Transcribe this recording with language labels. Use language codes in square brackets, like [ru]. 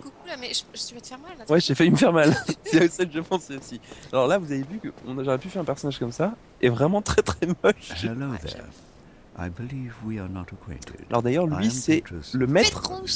[fr] Coucou là, mais je vais te faire mal. Ouais, j'ai failli me faire mal. C'est ça que je pensais aussi. Alors là, vous avez vu que j'aurais pu faire un personnage comme ça. Et vraiment très très moche. [en] Hello there. I believe we are not acquainted. [fr] Alors d'ailleurs, lui, c'est le maître...